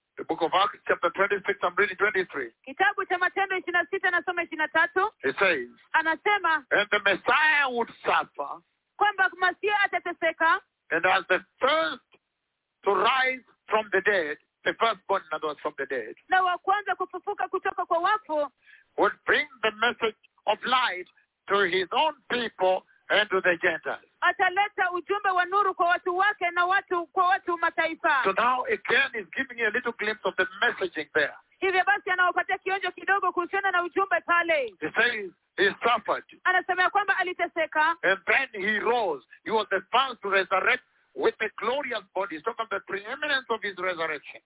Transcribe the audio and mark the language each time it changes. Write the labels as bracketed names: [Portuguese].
[English] The book of Acts chapter 26, I'm reading 23. [Swahili] Kitabu cha Matendo 26 nasoma 23. [English] He says. [Swahili] Anasema. [English] And the Messiah would suffer. [Swahili] Kwamba Masiya atateseka. [English] And as the first to rise from the dead, the firstborn in other words from the dead. [Swahili] Na wa kwanza kufufuka kutoka kwa wafu. [English] Would bring the message of light to his own people and to the Gentiles. [Swahili] Ataleta ujumbe wa nuru kwa watu wake na watu kwa watu mataifa. [English] So now again he's giving you a little glimpse of the messaging there. [Swahili] Hivyo basi anawapatia kionjo kidogo kuhusiana na ujumbe pale. [English] He says he suffered. [Swahili] Anasema kwamba aliteseka. [English] And then he rose. He was the first to resurrect with a glorious body. He's talking about the preeminence of his resurrection.